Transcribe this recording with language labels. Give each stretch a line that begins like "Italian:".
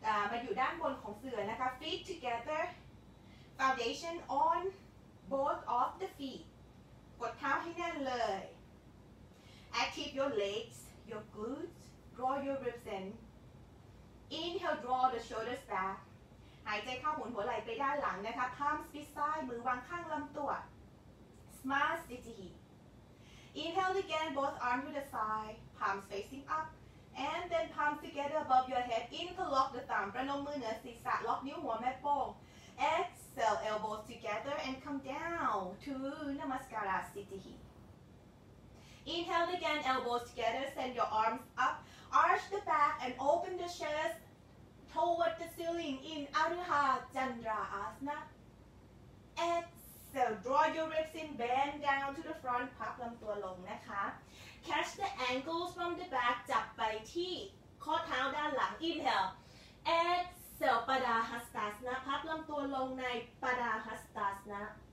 Thai: มาอยู่ด้านบนของเสื่อนะคะ
English: feet together foundation on both of the feet
Thai: กดเท้าให้แน่นเลย
English: active your legs your glutes draw your ribs inInhale, draw the shoulders back.
Thai: หายใจเข้าหมุนหัวไหล่ไปด้านหลังนะคะ Palms ปิดซ้ายมือวางข้างลำตัว
English: Smile, steady. Inhale again, both arms to the side, palms facing up, and then palms together above your head. Interlock the thumb.
Thai: ประนมมือเหนือศีรษะล็อกนิ้วหัวแม่โป้ง
English: Exhale, elbows together and come down to Namaskara, steady. Inhale again, elbows together. Send your arms up. Arch the back and open the chest toward the ceiling in Aruha Chandra Asana. Exhale, draw your ribs in, bend down to the front,
Thai: พับลำตัวลงนะคะ
English: Catch the ankles from the back,
Thai: จับไปที่ข้อเท้าด้านหลัง
English: Inhale, exhale, Padahastasana,
Thai: พับลำตัวลงใน
English: Padahastasana.